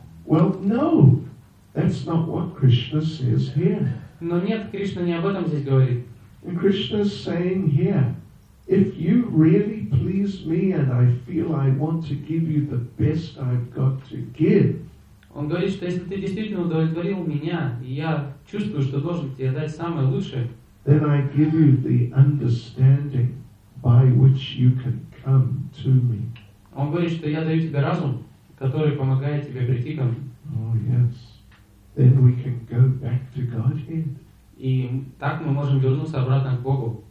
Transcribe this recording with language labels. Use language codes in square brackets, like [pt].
[en] Well, no, that's not what Krishna says here. [ru] Но нет, Кришна не об этом здесь говорит. [en] And Krishna is saying here. If you really please me and I feel I want to give you the best I've got to give. [ru] Он говорит, что если ты действительно удовлетворил меня, и я чувствую, что должен тебе дать самое лучшее. [en] Then I give you the understanding by which you can come to me. [ru] Он говорит, что я даю тебе разум, который помогает тебе прийти ко мне. [en] Oh yes. Then we can go back to Godhead. [ru] И так мы можем вернуться обратно к Богу.